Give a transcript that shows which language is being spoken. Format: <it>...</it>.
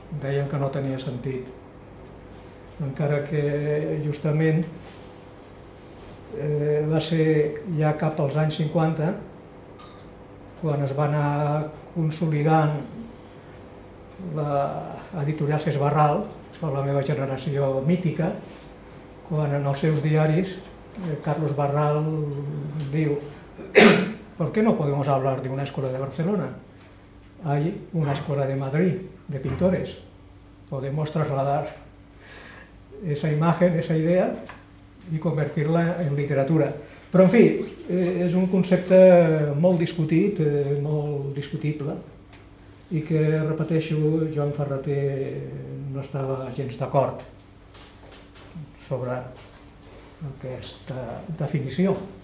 <ca>Deien que no tenia sentit. Encara que justament va ser ja cap als anys 50, quan es va anar consolidant l'editorial Seix Barral, per la meva generació mítica, quan en els seus diaris Carlos Barral diu:</ca> <es>¿Por qué no podemos hablar de una escuela de Barcelona? Hay una escuela de Madrid, de pintores. Podemos trasladar esa imagen, esa idea,</es> <ca>i convertir-la en literatura. Però, en fi, és un concepte molt discutit, molt discutible, i que, repeteixo, Joan Ferreter no estava gens d'acord sobre aquesta definició.</ca>